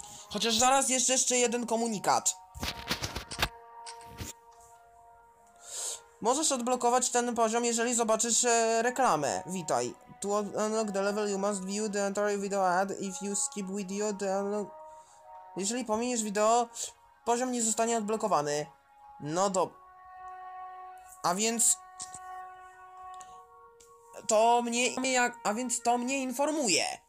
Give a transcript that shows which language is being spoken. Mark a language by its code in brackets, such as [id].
[pl] Chociaż zaraz jest jeszcze jeden komunikat. Możesz odblokować ten poziom, jeżeli zobaczysz reklamę. Witaj. [en] To unlock the level, you must view the entire video ad. If you skip video, the unlock... [pl] Jeżeli pominiesz wideo, poziom nie zostanie odblokowany. No to... A więc... To mnie informuje.